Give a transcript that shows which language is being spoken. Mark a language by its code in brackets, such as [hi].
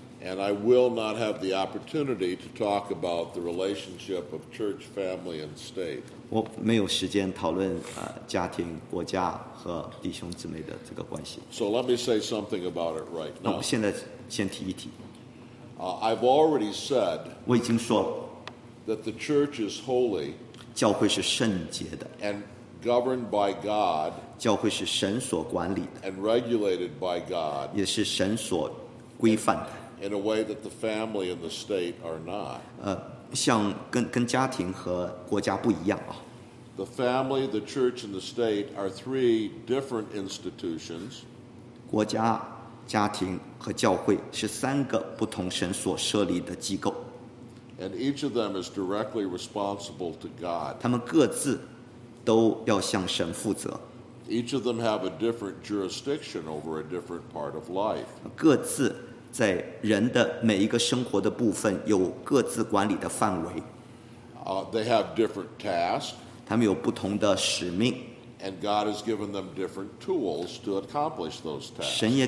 [en] And I will not have the opportunity to talk about the relationship of church, family, and state. [zh] 我没有时间讨论家庭、国家和弟兄姊妹的这个关系。 [en] So let me say something about it right now. [zh] 那我现在先提一提。 [en] I've already said [zh] 我已经说了, [en] that the church is holy [zh] 教会是圣洁的, [en] and governed by God [zh] 教会是神所管理的, [en] and regulated by God [zh] 也是神所规范的, [en] in a way that the family and the state are not. [zh] 像跟家庭和国家不一样啊。 [en] The family, the church, and the state are three different institutions. [zh] 国家, 家庭和教会是三个不同神所设立的机构, [en] and each of them is directly responsible to God. [zh] 他们各自都要向神负责。 [en] Each of them have a different jurisdiction over a different part of life. [zh] 各自在人的每一个生活的部分有各自管理的范围。 [en] They have different tasks. [zh] 他们有不同的使命。 [en] And God has given them different tools to accomplish those tasks.